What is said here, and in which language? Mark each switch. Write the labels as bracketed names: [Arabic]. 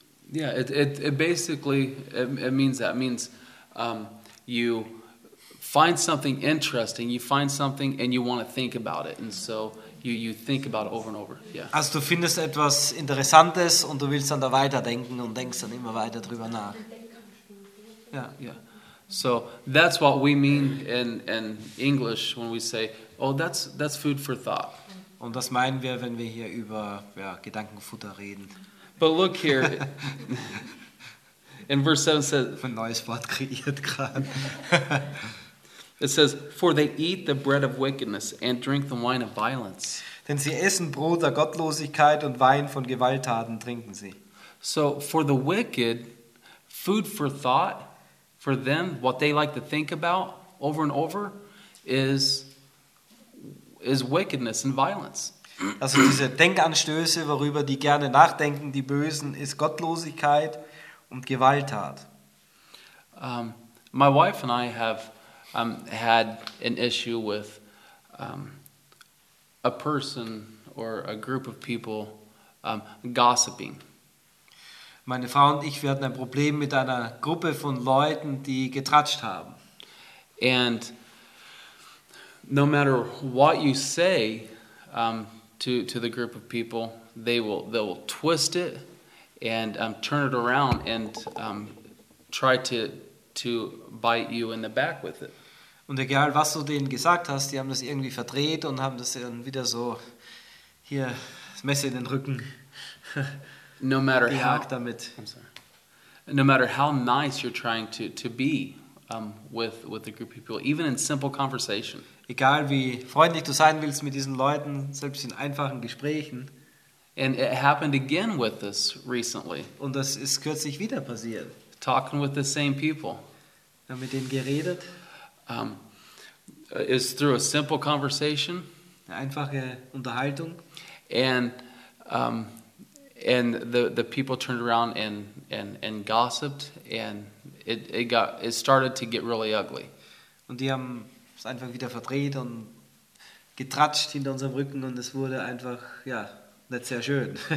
[English] Yeah, it basically it means that. It means you find something interesting, you find something and you want to think about it, and so you think about it over and over. Yeah. [German] Also du findest etwas Interessantes und du willst dann da weiterdenken und denkst dann immer weiter drüber nach. [English] Yeah, yeah. So that's what we mean in English when we say, oh, that's food for thought. [German] Und das meinen wir, wenn wir hier über Gedankenfutter reden. [English] But look here. In verse 7 says, [German] ein neues Wort kreiert gerade. [English] It says, for they eat the bread of wickedness and drink the wine of violence. [German] Denn sie essen Brot der Gottlosigkeit und Wein von Gewalttaten trinken sie. [English] So for the wicked, food for thought, for them, what they like to think about over and over is wickedness and violence. [German] Also diese Denkanstöße, worüber die gerne nachdenken, die Bösen, ist Gottlosigkeit und Gewalttat. [English] My wife and I have had an issue with a person or a group of people gossiping. [German] Meine Frau und ich, wir hatten ein Problem mit einer Gruppe von Leuten, die getratscht haben. [English] And no matter what you say, to the group of people, they will twist it and turn it around and try to bite you in the back with it. [German] Und egal was du denen gesagt hast, die haben das irgendwie verdreht und haben das dann wieder so hier das Messer in den Rücken. [English] No matter how [German] damit. [English] I'm sorry. No matter how nice you're trying to be with the group of people, even in simple conversation. [German] Egal wie freundlich du sein willst mit diesen Leuten, selbst in einfachen Gesprächen. [English] And it happened again with us recently. [German] Und das ist kürzlich wieder passiert. [English] Talking with the same people. [German] Wir haben mit denen geredet. [English] It's through a simple conversation. [German] Eine einfache Unterhaltung. [English] And the people turned around and gossiped, and it started to get really ugly. [German] Und die haben es einfach wieder verdreht und getratscht hinter unserem Rücken und es wurde einfach, ja, nicht sehr schön.